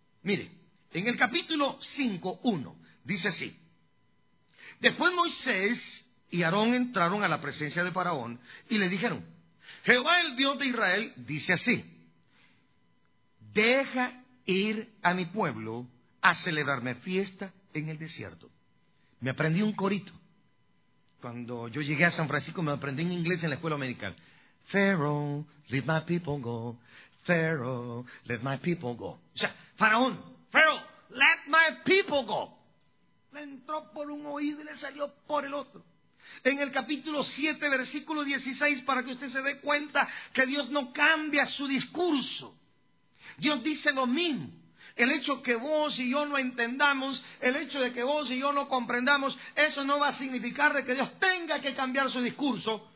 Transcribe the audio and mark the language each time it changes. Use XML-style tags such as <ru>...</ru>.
<es>Mire, en el capítulo 5:1 dice así: después Moisés y Aarón entraron a la presencia de Faraón y le dijeron: Jehová, el Dios de Israel, dice así: deja ir a mi pueblo a celebrarme fiesta en el desierto. Me aprendí un corito. Cuando yo llegué a San Francisco, me aprendí en inglés en la escuela americana:</es> <en>Pharaoh, let my people go. Pharaoh, let my people go.</en> <es>O sea, faraón,</es> <en>Pharaoh, let my people go.</en> <es>Le entró por un oído y le salió por el otro. En el capítulo 7, versículo 16, para que usted se dé cuenta que Dios no cambia su discurso. Dios dice lo mismo. El hecho que vos y yo no entendamos, el hecho de que vos y yo no comprendamos, eso no va a significar de que Dios tenga que cambiar su discurso.</es>